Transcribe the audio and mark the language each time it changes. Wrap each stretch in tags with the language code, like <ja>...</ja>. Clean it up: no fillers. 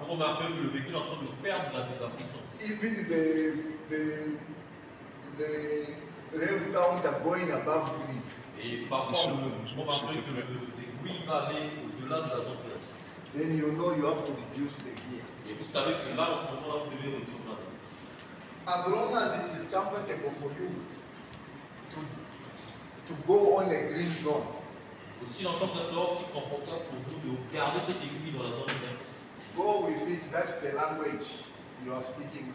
<fr>Vous remarquez que le véhicule est en train de perdre la puissance.</fr> <en>Even the rev counter going above green.</en> <fr>Et parfois, vous remarquez que l'aiguille va aller au-delà de la zone verte.</fr> <en>Then you know you have to reduce the gear.</en> <fr>Et vous savez que là, en ce moment-là, vous devez retourner.</fr> <en>As long as it is comfortable for you to go on a green zone.</en> <fr>Aussi longtemps que ça soit aussi confortable pour vous de garder cette aiguille dans la zone verte.</fr> <en>Go with it. That's the language you are speaking.</en>